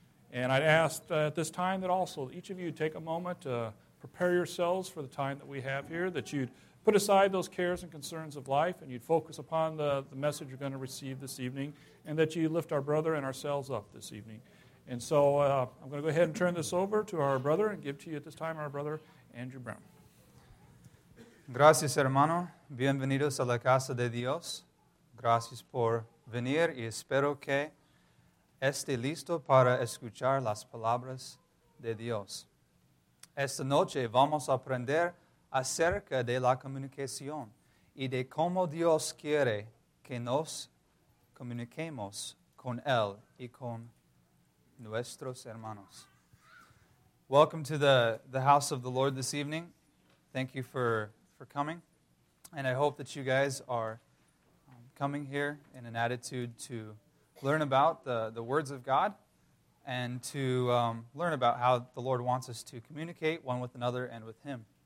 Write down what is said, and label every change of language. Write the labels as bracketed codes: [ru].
[en] And I'd ask at this time that also each of you take a moment to prepare yourselves for the time that we have here, that you'd put aside those cares and concerns of life, and you'd focus upon the message you're going to receive this evening, and that you lift our brother and ourselves up this evening. And so I'm going to go ahead and turn this over to our brother and give to you at this time our brother, Andrew Brown. [es] Gracias, hermano. Bienvenidos a la casa de Dios. Gracias por venir y espero que esté listo para escuchar las palabras de Dios. Esta noche vamos a aprender acerca de la comunicación y de cómo Dios quiere que nos comuniquemos con Él y con nuestros hermanos. [en] Welcome to the house of the Lord this evening. Thank you for coming. And I hope that you guys are coming here in an attitude to learn about the words of God and to learn about how the Lord wants us to communicate one with another and with Him.